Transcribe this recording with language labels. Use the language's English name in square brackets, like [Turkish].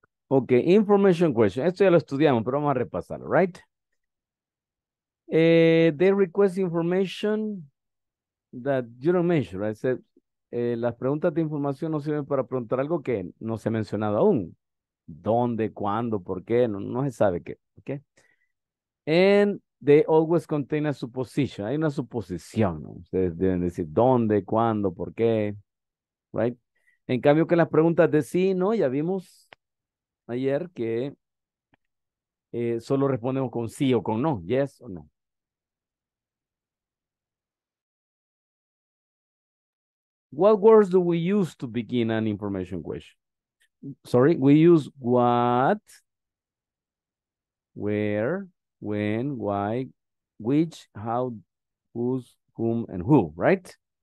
[Spanish] Okay, information question. Esto ya lo estudiamos, pero vamos a repasarlo, right? [English] They request information that you don't mention, right? [Spanish] So, las preguntas de información no sirven para preguntar algo que no se ha mencionado aún. ¿Dónde? ¿Cuándo? ¿Por qué? No se sabe qué. Okay? [English] And they always contain a supposition. [Spanish] Hay una suposición, ¿no? Ustedes deben decir dónde, cuándo, por qué, right? En cambio que las preguntas de sí, ¿no? Ya vimos ayer que solo respondemos con sí o con no, yes o no. [English] What words do we use to begin an information question? Sorry, we use what, where, when, why, which, how, whose, whom, and who, right?